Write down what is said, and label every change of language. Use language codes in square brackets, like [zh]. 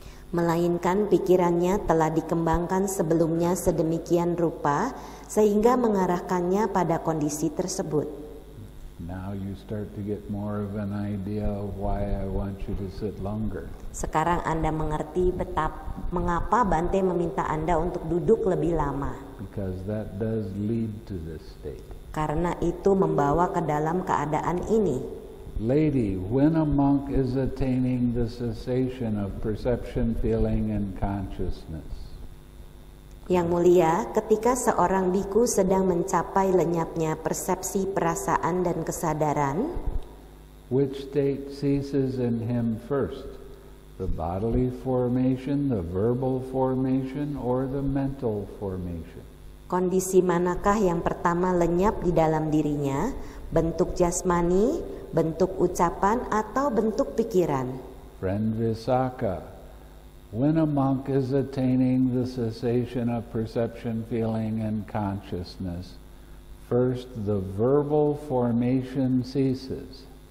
[id] Melainkan pikirannya telah dikembangkan sebelumnya sedemikian rupa sehingga mengarahkannya pada kondisi tersebut. [en] Now you start to get more of an idea of why I want you to sit longer. [id] Sekarang Anda mengerti mengapa Bhante meminta Anda untuk duduk lebih lama. [en] Because that does lead to this state. [id] Karena itu membawa ke dalam keadaan ini. [en] Lady, when a monk is attaining the cessation of perception, feeling, and consciousness. [id] Yang mulia, ketika seorang bhikkhu sedang mencapai lenyapnya persepsi, perasaan, dan kesadaran, [en] which state ceases in him first? The bodily formation, the verbal formation, or the mental formation? [id] Kondisi manakah yang pertama lenyap di dalam dirinya? Bentuk jasmani, bentuk ucapan, atau bentuk pikiran? [en] Friend Visakha, when a monk is attaining the cessation of perception, feeling, and consciousness, first the verbal formation ceases.